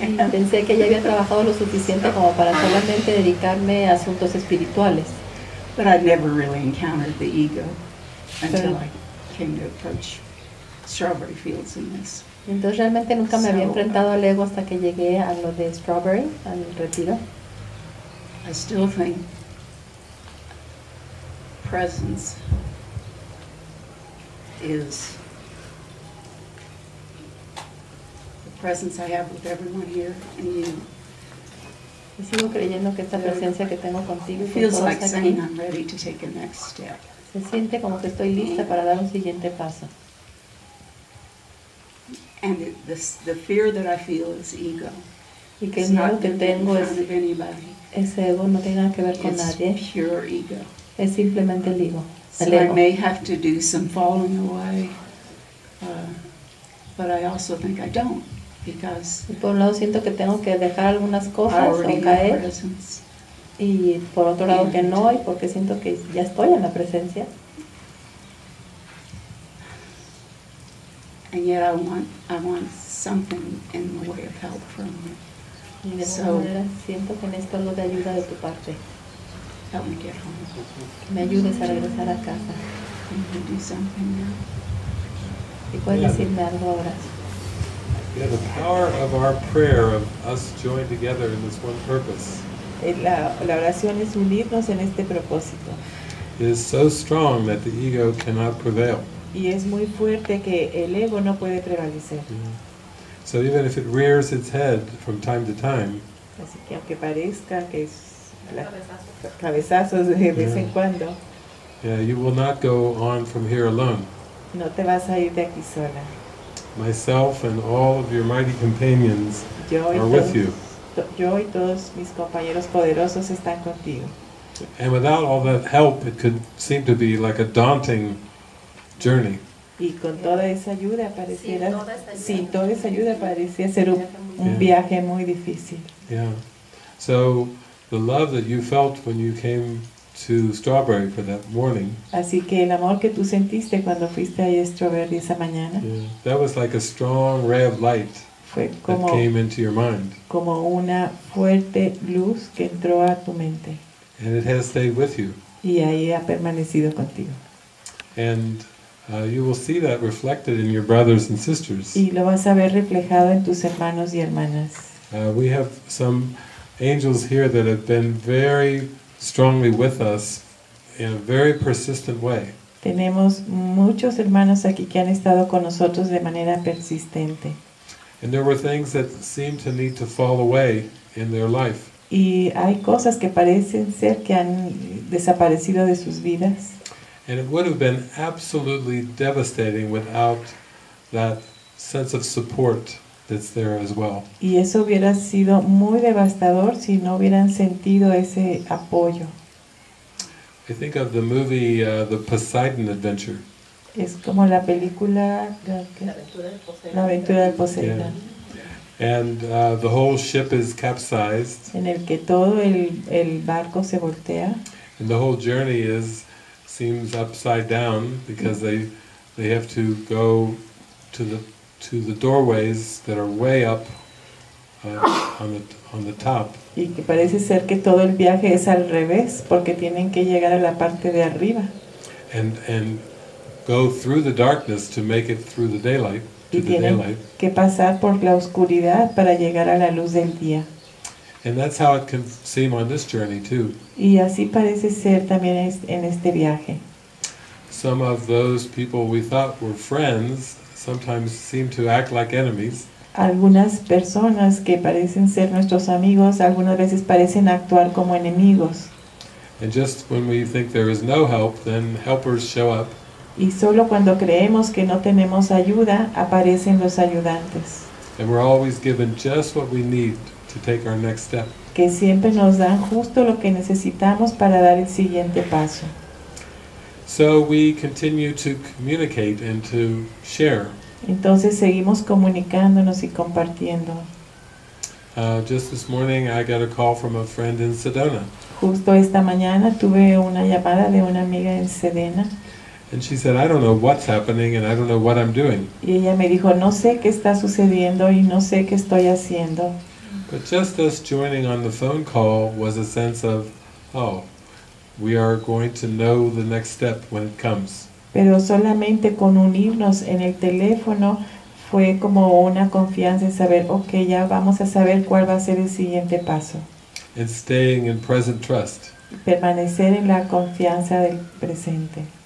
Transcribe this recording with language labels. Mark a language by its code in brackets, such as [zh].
[es] Pensé que ya había trabajado lo suficiente como para solamente dedicarme a asuntos espirituales. [en] But I'd never really encountered the ego until I came to approach Strawberry Fields in this. [es] Entonces realmente nunca me había enfrentado al ego hasta que llegué a lo de Strawberry, al retiro. [en] I still think presence is presence I have with everyone here and you. [es] Y sigo creyendo que esta presencia que tengo contigo [en] feels like saying I'm ready to take a next step. [es] Se siente como que estoy lista para dar un siguiente paso. [en] And the fear that I feel is ego. [es] Y que el miedo que tengo es ese ego, no tiene nada que ver con nadie. [en] It's pure ego. [es] Es simplemente el ego. [en] So I may have to do some falling away. But I also think I don't, because [es] y por un lado siento que tengo que dejar algunas cosas o caer, y por otro lado que no, y porque siento que ya estoy en la presencia. [en] And yet I want something in the way of help from you. [es] Y de alguna manera siento que necesito algo de ayuda de tu parte. [en] help me get home. [es] Me ayudes a regresar a casa. [en] Can you do something now? [es] ¿Y puedes decirme algo ahora? [en] Yeah, the power of our prayer, of us joined together in this one purpose. [es] La oración es unirnos en este propósito. [en] Is so strong that the ego cannot prevail. [es] Y es muy fuerte que el ego no puede prevalecer. [en] So even if it rears its head from time to time, [es] así que aunque parezca que es cabezazos de vez en cuando, [en] yeah, you will not go on from here alone. [es] No te vas a ir de aquí sola. [en] Myself and all of your mighty companions are with you. [es] Yo y todos mis compañeros poderosos están contigo. [en] And without all that help, it could seem to be like a daunting journey. [es] Y con toda esa ayuda pareciera, sin toda esa ayuda parecía ser un viaje muy difícil. [en] Yeah. So the love that you felt when you came to Strawberry for that morning. [es] Así que el amor que tú sentiste cuando fuiste a Strawberry esa mañana. [en] Yeah, that was like a strong ray of light that came into your mind. [es] Como una fuerte luz que entró a tu mente. [en] And it has stayed with you. [es] Y ahí ha permanecido contigo. [en] And you will see that reflected in your brothers and sisters. [es] Y lo vas a ver reflejado en tus hermanos y hermanas. [en] We have some angels here that have been very strongly with us in a very persistent way. [es] Tenemos muchos hermanos aquí que han estado con nosotros de manera persistente. [en] And there were things that seemed to need to fall away in their life. [es] Y hay cosas que parecen ser que han desaparecido de sus vidas. [en] And it would have been absolutely devastating without that sense of support that's there as well. [es] Y eso hubiera sido muy devastador si no hubieran sentido ese apoyo. [en] I think of the movie The Poseidon Adventure. [es] Es como la película La aventura del Poseidón. [en] Yeah. And the whole ship is capsized. [es] En el que todo el barco se voltea. [en] And the whole journey seems upside down because they have to go to the doorways that are way up on the top. [es] Y que parece ser que todo el viaje es al revés porque tienen que llegar a la parte de arriba. [en] And go through the darkness to make it through the daylight. [es] Que pasar por la oscuridad para llegar a la luz del día. [en] And that's how it can seem on this journey too. [es] Y así parece ser también en este viaje. [en] Some of those people we thought were friends sometimes seem to act like enemies. [es] Algunas personas que parecen ser nuestros amigos algunas veces parecen actuar como enemigos. [en] And just when we think there is no help, then helpers show up. [es] Y solo cuando creemos que no tenemos ayuda, aparecen los ayudantes. [en] And we're always given just what we need to take our next step. [es] Que siempre nos dan justo lo que necesitamos para dar el siguiente paso. [en] So we continue to communicate and to share. [es] Entonces seguimos comunicándonos y compartiendo. [en] Just this morning I got a call from a friend in Sedona. [es] Justo esta mañana tuve una llamada de una amiga en Sedona. [en] And she said, "I don't know what's happening, and I don't know what I'm doing." [es] Y ella me dijo, "No sé qué está sucediendo y no sé qué estoy haciendo." [en] But just us joining on the phone call was a sense of, "Oh, we are going to know the next step when it comes." [es] Pero solamente con unirnos en el teléfono fue como una confianza en saber, okay, ya vamos a saber cuál va a ser el siguiente paso. [en] And staying in present trust. [es] Permanecer en la confianza del presente.